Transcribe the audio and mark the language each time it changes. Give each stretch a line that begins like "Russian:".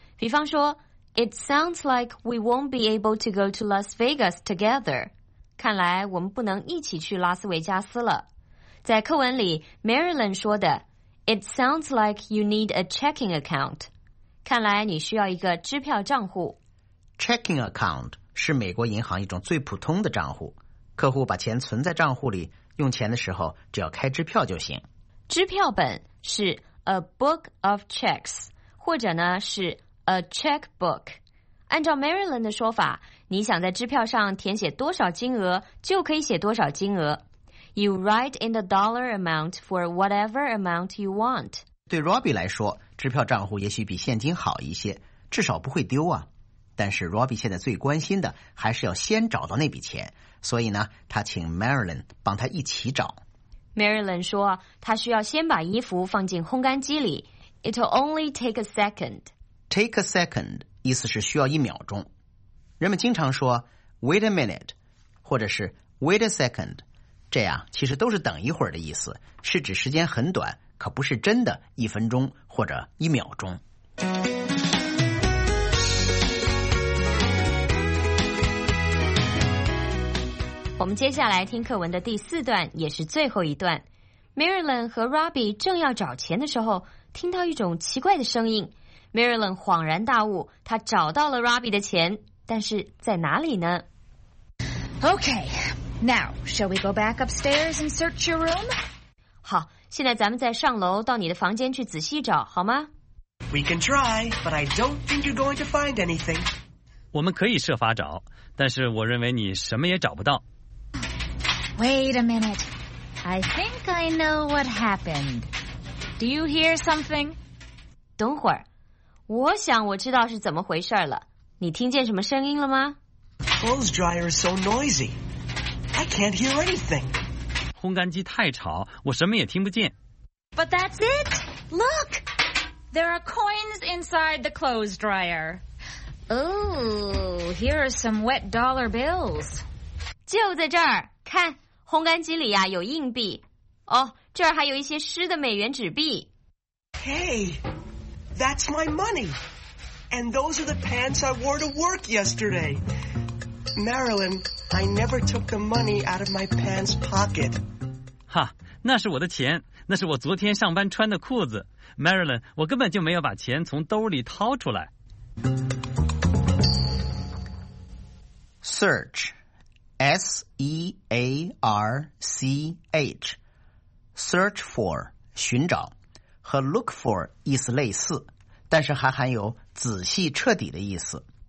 Chinese: 比方说
English: It sounds like we won't be able to go to Las Vegas together.
Chinese: 看来我们不能一起去拉斯维加斯了。在课文里
English: Marilyn 说的 It sounds like you need a checking account.
Chinese: 看来你需要一个支票账户。 Checking account 是美国银行一种最普通的账户。客户把钱存在账户里，用钱的时候只要开支票就行。支票本是
English: a book of checks,
Chinese: 或者呢是
English: a checkbook。
Chinese: 按照 Marilyn 的说法，你想在支票上填写多少金额就可以写多少金额。
English: You write in the dollar amount for whatever amount you want.
Chinese: 对 Robbie 来说，支票账户也许比现金好一些，至少不会丢啊。但是 Robbie 现在最关心的还是要先找到那笔钱，所以呢，他请 Marilyn 帮他一起找。 Marilyn 说，他需要先把衣服放进烘干机里。
English: It'll only take a second.
Chinese: Take a second 意思是需要一秒钟。人们经常说
English: Wait a minute,
Chinese: 或者是
English: Wait a second,
Chinese: 这样其实都是等一会儿的意思，是指时间很短，可不是真的一分钟或者一秒钟。我们接下来听课文的第四段，也是最后一段。 Marilyn 和 Robbie 正要找钱的时候，听到一种奇怪的声音。 Marilyn 恍然大悟，她找到了 Robbie 的钱，但是在哪里呢？
English: Okay, now, shall we go back upstairs and search your room?
Chinese: 好，现在咱们再上楼到你的房间去仔细找，好吗？
English: We can try, but I don't think you're going to find anything.
Chinese: 我们可以设法找，但是我认为你什么也找不到。
English: Wait a minute. I think I know what happened. Do you hear something?
Chinese: 等会儿，我想我知道是怎么回事了。你听见什么声音了吗？
English: Clothes dryer is so noisy. I can't hear anything.
Chinese: 烘干机太吵，我什么也听不见。
English: But that's it. Look, there are coins inside the clothes dryer. Oh, here are some wet dollar bills.
Chinese: 就在这儿，看。烘干机里呀、啊、有硬币，哦，这儿还有一些湿的美元纸币。
English: Hey, that's my money, and those are the pants I wore to work yesterday. Marilyn, I never took the money out of my pants pocket.
Chinese: 哈，那是我的钱，那是我昨天上班穿的裤子。 Marilyn, 我根本就没有把钱从兜里掏出来。
English: Search.
Chinese: S-E-A-R-C-H Search for 寻找和
English: look for
Chinese: 意思类似，但是还含有仔细彻底的意思。